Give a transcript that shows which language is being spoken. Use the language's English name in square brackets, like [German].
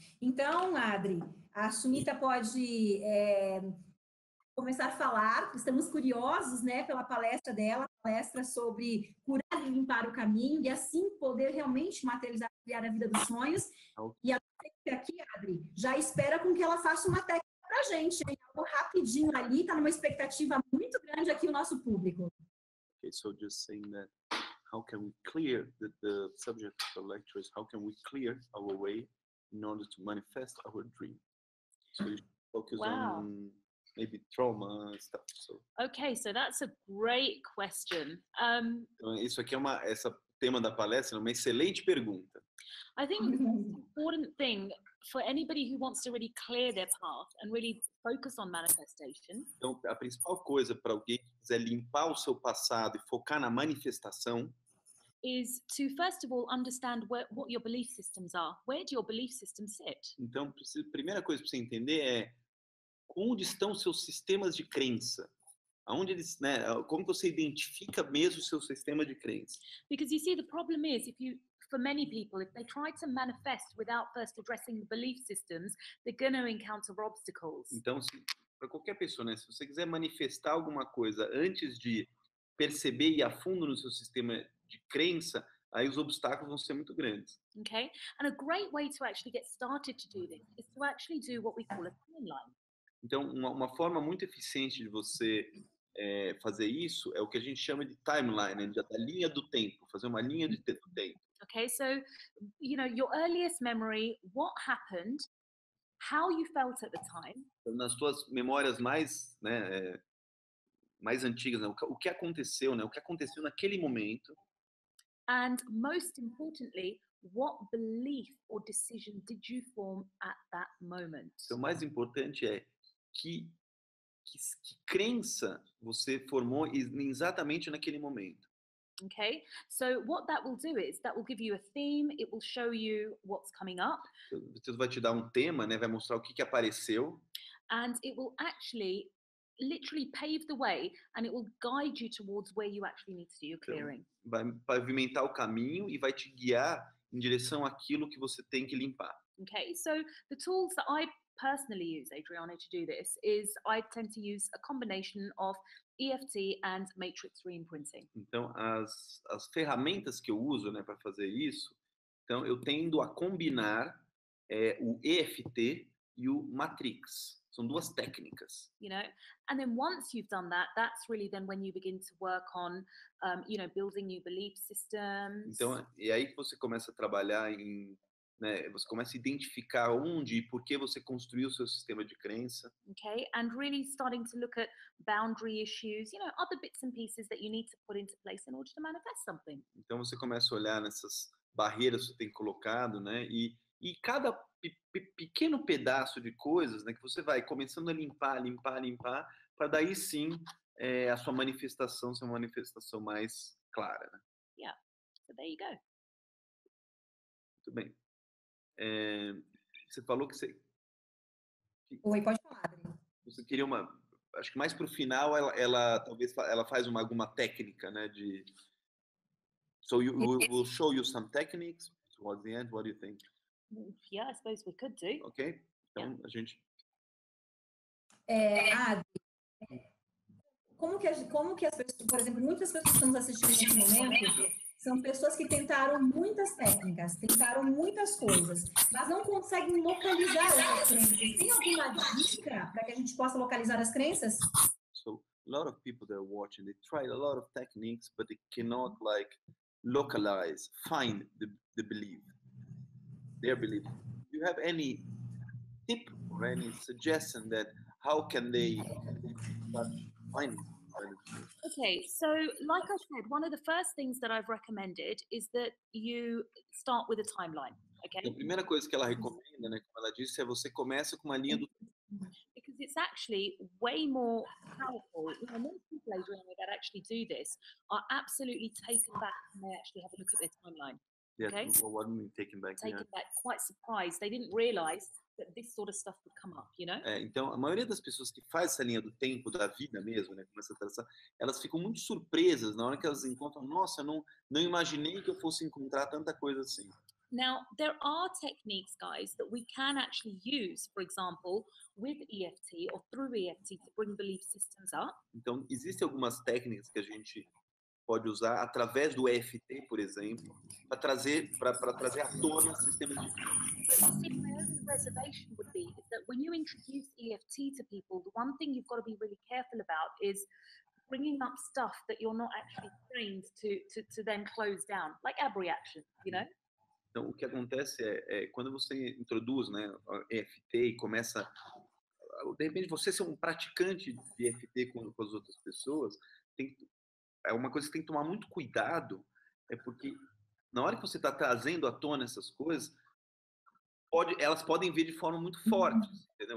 [Portuguese] Então, Adri, a Sunita pode começar a falar, estamos curiosos, né, pela palestra dela, palestra sobre curar e limpar o caminho e assim poder realmente materializar e criar a vida dos sonhos. E a aqui, Adri, já espera com que ela faça uma técnica para a gente, hein? Algo rapidinho ali, está numa expectativa muito grande aqui o nosso público. [English] Okay, so just saying that, how can we clear the subject of the lecture is how can we clear our way in order to manifest our dream? So you focus Wow. on maybe trauma and stuff, so. Okay, so that's a great question. [Portuguese] Então, isso aqui é uma, essa tema da palestra é uma excelente pergunta. [English] I think important thing for anybody who wants to really clear their path and really focus on manifestation. [Portuguese] Então, a principal coisa para alguém que quiser limpar o seu passado e focar na manifestação [English] Is to first of all understand what your belief systems are. Where do your belief systems sit? [Portuguese] então, precisa, primeira coisa para você entender é onde estão seus sistemas de crença? Aonde eles, né, como você identifica mesmo o seu sistema de crença? [English] Because you see, the problem is if you for many people, if they try to manifest without first addressing the belief systems, they're going to encounter obstacles. [Portuguese] Então, para qualquer pessoa, né, se você quiser manifestar alguma coisa antes de perceber e ir a fundo no seu sistema de crença, aí os obstáculos vão ser muito grandes. [English] Okay? And a great way to actually get started to do this is to actually do what we call a timeline. [Portuguese] Então, uma forma muito eficiente de você fazer isso é o que a gente chama de timeline, da linha do tempo, fazer uma linha do tempo. [English] Okay, so, your earliest memory, what happened, how you felt at the time. [Portuguese] Nas suas memórias mais, né, mais antigas, né, o que aconteceu, né, o que aconteceu naquele momento. [English] And most importantly, what belief or decision did you form at that moment? [Portuguese] Então, o mais importante é que crença você formou exatamente naquele momento. [English] Okay, so what that will do is that will give you a theme, it will show you what's coming up. [Portuguese] Você vai te dar um tema, né? Vai mostrar o que que apareceu. [English] And it will actually literally pave the way and it will guide you towards where you actually need to do your clearing. [Portuguese] vai pavimentar o caminho e vai te guiar em direção àquilo que você tem que limpar. [English] Okay, so the tools that I personally use, Adriana, to do this is I tend to use a combination of EFT and matrix reimprinting. [Portuguese] Então, as ferramentas que eu uso, né, para fazer isso, então eu tendo a combinar o EFT e o Matrix. São duas técnicas. [English] And then once you've done that, that's really then when you begin to work on, building new belief [Portuguese] Então, [English] systems. [Portuguese] e aí que você começa a trabalhar em, né, você começa a identificar onde e por que você construiu o seu sistema de crença. [English] Okay, and really starting to look at boundary issues, other bits and pieces that you need to put into place in order to manifest something. [Portuguese] Então você começa a olhar nessas barreiras que você tem colocado, né? E cada pequeno pedaço de coisas, né, que você vai começando a limpar, limpar, limpar, para daí sim a sua manifestação ser uma manifestação mais clara, né? [English] Yeah, so there you go. [Portuguese] Muito bem. Você falou que Oi, pode falar. você queria uma. acho que mais para o final ela faz alguma técnica, né? [English] De so you we'll show you some techniques towards the end. What do you think? Yeah, I suppose we could do. [Portuguese] Okay, então yeah. A gente. Como que as pessoas, por exemplo, muitas pessoas que estamos assistindo nesse momento são pessoas que tentaram muitas técnicas, tentaram muitas coisas, mas não conseguem localizar as crenças. Tem alguma dica para que a gente possa localizar as crenças? [English] So, a lot of people that are watching, they tried a lot of techniques, but they cannot like localize, find the belief, their belief. Do you have any tip or any suggestion that how can they find it? Okay, so like I said, one of the first things that I've recommended is that you start with a timeline, okay? [Portuguese] A primeira coisa que ela recomenda, né, como ela disse, é você começa com uma linha do... [English] Because it's actually way more powerful. You know, most people, Adriana, that actually do this are absolutely taken back when they actually have a look at their timeline, okay? Yeah, well, what do you mean taken back? Taken back, quite surprised. They didn't realize that this sort of stuff would come up, you know? [Portuguese] É, então, a maioria das pessoas que faz essa linha do tempo, da vida mesmo, né, começa a traçar, elas ficam muito surpresas na hora que elas encontram, nossa, não imaginei que eu fosse encontrar tanta coisa assim. [English] Now, there are techniques, guys, that we can actually use, for example, with EFT or through EFT to bring belief systems up. [Portuguese] Então, existem algumas técnicas que a gente pode usar através do EFT, por exemplo, para trazer à tona sistemas de... [English] Reservation would be is that when you introduce EFT to people, the one thing you've got to be really careful about is bringing up stuff that you're not actually trained to then close down, like abreaction, you know? [Portuguese] Então, o que acontece é quando você introduz, né, EFT e começa, de repente você ser um praticante de EFT com as outras pessoas, é uma coisa que tem que tomar muito cuidado, é porque na hora que você está trazendo à tona essas coisas, elas podem vir de forma muito forte, entendeu?